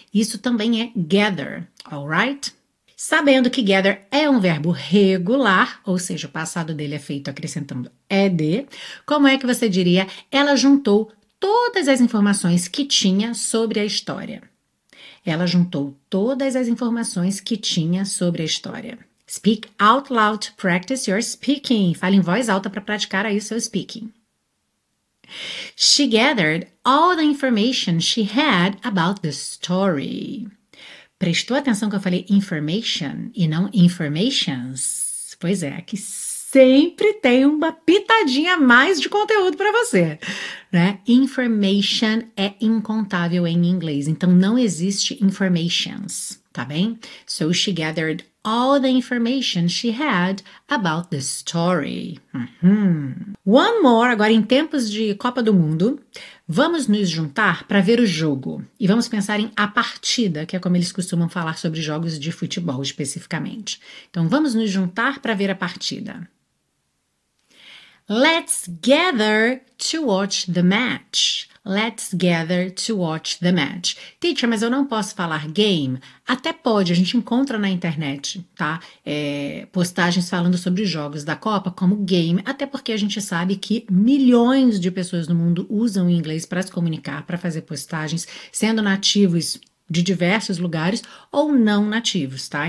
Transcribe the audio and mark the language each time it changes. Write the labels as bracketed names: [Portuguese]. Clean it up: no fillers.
[Portuguese] Isso também é gather, alright? Sabendo que gather é um verbo regular, ou seja, o passado dele é feito acrescentando ed, como é que você diria? Ela juntou todas as informações que tinha sobre a história. Ela juntou todas as informações que tinha sobre a história. [English] Speak out loud to practice your speaking. [Portuguese] Fale em voz alta para praticar aí o seu speaking. [English] She gathered all the information she had about the story. [Portuguese] Prestou atenção que eu falei information e não informations? Pois é, aqui sempre tem uma pitadinha a mais de conteúdo para você, né? Information é incontável em inglês, então não existe informations, tá bem? [English] So she gathered all the information she had about the story. One more, [Portuguese] agora em tempos de Copa do Mundo, vamos nos juntar para ver o jogo e vamos pensar em a partida, que é como eles costumam falar sobre jogos de futebol especificamente. Então vamos nos juntar para ver a partida. [English] Let's gather to watch the match. Let's gather to watch the match. [Portuguese] Teacher, mas eu não posso falar game? Até pode, a gente encontra na internet, tá? Postagens falando sobre jogos da Copa como game, até porque a gente sabe que milhões de pessoas no mundo usam o inglês para se comunicar, para fazer postagens, sendo nativos de diversos lugares ou não nativos, tá?